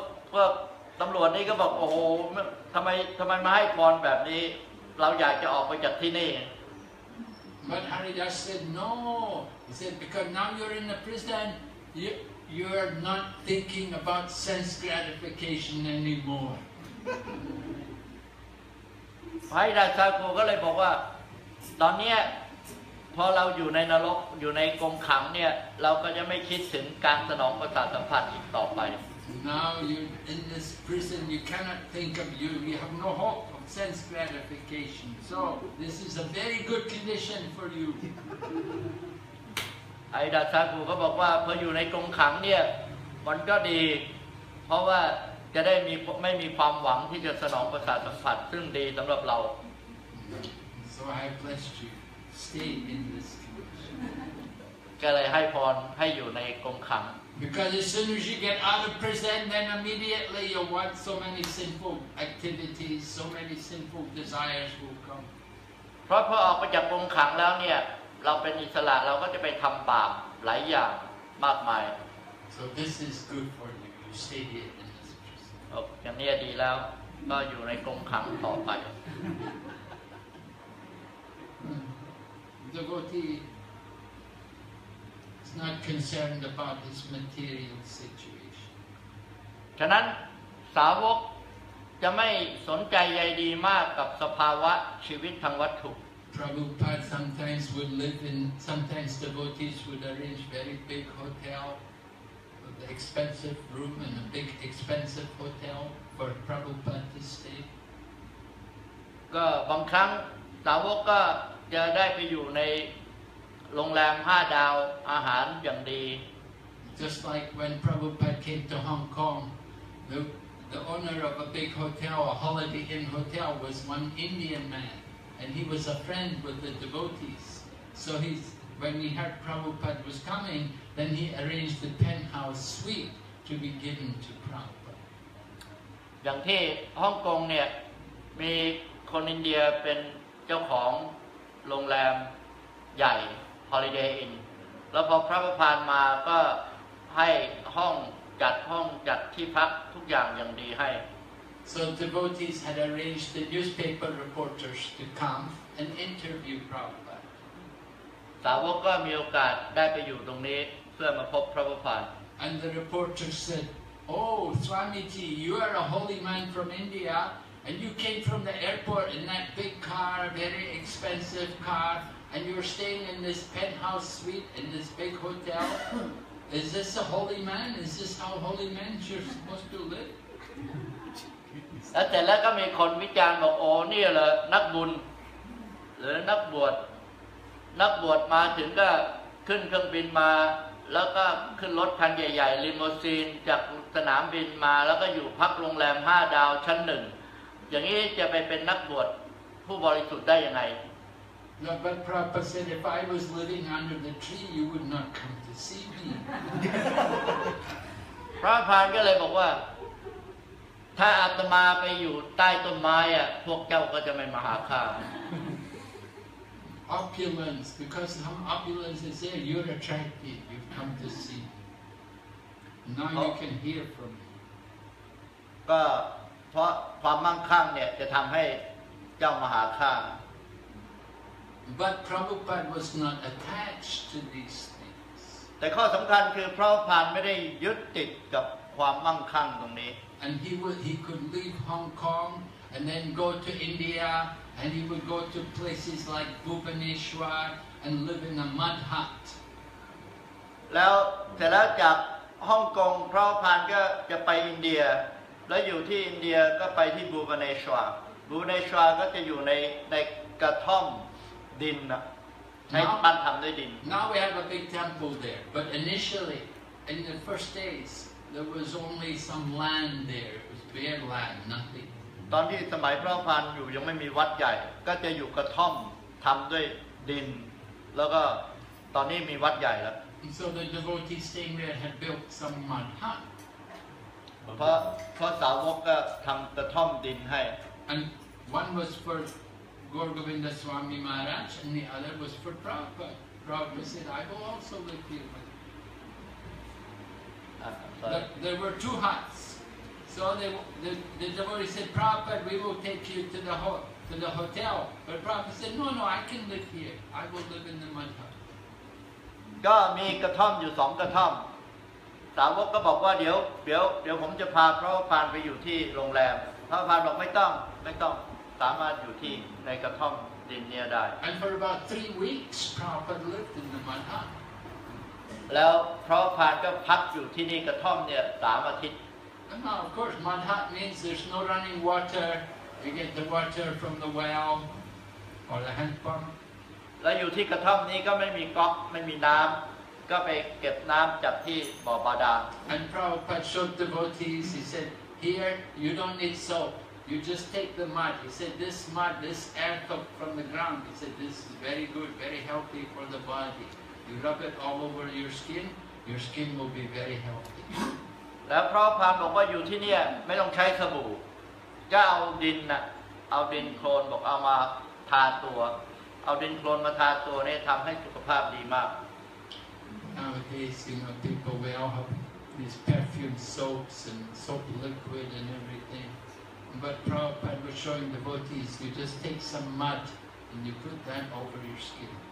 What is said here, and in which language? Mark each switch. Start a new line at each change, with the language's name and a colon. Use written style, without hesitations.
Thai: พวกตำรวจนี่ก็บอกโอ้โหทำไมมาให้พรแบบนี้เราอยากจะออกไปจากที่นี่
English: But Haridas said no he said because now you're in the prison you're not thinking about sense gratification anymore
Thai: Haridas ก็เลยบอกว่าตอนนี้พอเราอยู่ในนรกอยู่ในกรงขังเนี่ยเราก็จะไม่คิดถึงการสนองประสาทสัมผัสอีกต่อไป
English: Now you're in this prison, you cannot think of you have no hope of sense gratification. So this is a very good condition for you.
Thai: Haridas Thakur ก็บอกว่าพออยู่ในกรงขังเนี่ยมันก็ดีเพราะว่าจะได้ไม่มีความหวังที่จะสนองประสาทสัมผัสซึ่งดีสำหรับเรา
English: So I blessed you. Stay in this condition.
Thai: ก็เลยให้พรให้อยู่ในกรงขัง
English: Because as soon as you get out of prison, then immediately you'll want so many sinful activities, so many sinful desires will come.
Thai: เพราะพอออกมาจากกรงขังแล้วเนี่ยเราเป็นอิสระเราก็จะไปทำบาปหลายอย่างมากมาย
English: So this is good for you. You stay here in this prison.
Thai: อย่างนี้ดีแล้วก็อยู่ในกรงขังต่อไป
English: Devotee. Not concerned about this material situation.
Thai: ฉะนั้นสาวกจะไม่สนใจใยดีมากกับสภาวะชีวิตทางวัตถุ
English: Prabhupada sometimes would live in, sometimes devotees would arrange very big hotel, with expensive room and a big expensive hotel for Prabhupada to stay.
Thai: ก็บางครั้งสาวกก็จะได้ไปอยู่ในโรงแรม5ดาวอาหารอย่างดี
English: Just like when Prabhupada came to Hong Kong the owner of a big hotel a Holiday Inn hotel was one Indian man and he was a friend with the devotees so when he heard Prabhupada was coming then he arranged the penthouse suite to be given to Prabhupada
Thai: อย่างที่ฮ่องกงเนี่ยมีคนอินเดียเป็นเจ้าของโรงแรมใหญ่Holiday Inn แล้วพอพระประพานมาก็ให้ห้องจัดที่พักทุกอย่างอย่างดีให้
English: So devotees had arranged the newspaper reporters to come and interview Prabhupada
Thai: สาวกก็มีโอกาสได้ไปอยู่ตรงนี้เพื่อมาพบพระประพาน
English: And the reporters said Oh Swamiji you are a holy man from IndiaAnd you came from the airport in that big car, very expensive car, and you were staying in this penthouse suite in this big hotel. Is this a holy man? Is this how holy men are supposed to live?
Thai: แต่แล้วก็มีคนวิจารณ์บอกโอ้นี่เหรอนักบุญหรือนักบวชมาถึงก็ขึ้นเครื่องบินมาแล้วก็ขึ้นรถคันใหญ่ๆลิมูซีนจากสนามบินมาแล้วก็อยู่พักโรงแรม5ดาวชั้น1อย่างนี้จะไปเป็นนักบวชผู้บริสุทธิ์ได้ยังไง
English: No, but Prabhupada said if I was living under the tree you would not come to see me
Thai: พระพานก็เลยบอกว่าถ้าอาตมาไปอยู่ใต้ต้นไม้อ่ะพวกเจ้าก็จะไม่มาหาข้า
English: opulence, because how opulence is there, you're attracted, you've come to see. Now you can hear from me.
Thai: ก็เพราะความมั่งคั่งเนี่ยจะทำให้เจ้ามหาข้า
English: But Prabhupada was not attached to these things.
Thai: แต่ข้อสำคัญคือพระพานไม่ได้ยึดติดกับความมั่งคั่งตรงนี้
English: And he could leave Hong Kong and then go to India and he would go to places like Bhubaneswar and live in a mud hut.
Thai: แล้วแต่ละจากฮ่องกงพระพานก็จะไปอินเดียแล้วอยู่ที่อินเดียก็ไปที่บูเบเนชวาบูเบเนชวาก็จะอยู่ในกระท่อมดินนะในปั้นทำด้วยดิน
English: Now we have a big temple there but initially in the first days there was only some land there it was bare land nothing
Thai: ตอนที่สมัยพระพันอยู่ยังไม่มีวัดใหญ่ก็จะอยู่กระท่อมทำด้วยดินแล้วก็ตอนนี้มีวัดใหญ่แล้ว
English: So the devotees staying there had built some mud hut
Thai: เพราะสาวกก็ทำกระท่อมดินให้
English: and one was for Gurgovinda Swami Maharaj and the other was for Prabhupada Prabhupada said I will also live here but there were two huts so the devotee said Prabhupada we will take you to the hotel but Prabhupada said no I can live here I will live in the mud hut
Thai: ก็มีกระท่อมอยู่สองกระท่อมสาวกก็บอกว่าเดี๋ยวผมจะพาพระพานไปอยู่ที่โรงแรมพระพานบอกไม่ต้องสามารถอยู่ที่ในกระท่อมดินเนี่ยได้
English: And for about 3 weeks Prabhupada lived in the mud
Thai: hut แล้วพระพานก็พักอยู่ที่นี่กระท่อมเนี่ย3 อาทิตย์
English: And now of course mud hut means there's no running water you get the water from the well or the hand pump
Thai: แล้วอยู่ที่กระท่อมนี้ก็ไม่มีก๊อกไม่มีน้ำก็ไปเก็บน้ำจากที่บ่อบาดาล
English: And Prabhupada showed devotees. He said, "Here, you don't need soap. You just take the mud." He said, "This mud, this earth from the ground. He said, this is very good, very healthy for the body. You rub it all over your skin will be very healthy."
Thai: แล้วพระบอกว่าอยู่ที่นี่ไม่ต้องใช้สบู่ก็เอาดินนะเอาดินโคลนบอกเอามาทาตัวเอาดินโคลนมาทาตัวเนี่ยทำให้สุขภาพดีมาก
English: Nowadays, you know, people we all have these perfume soaps and soap liquid and everything. But Prabhupada was showing devotees, you just take some mud and you put that over your skin.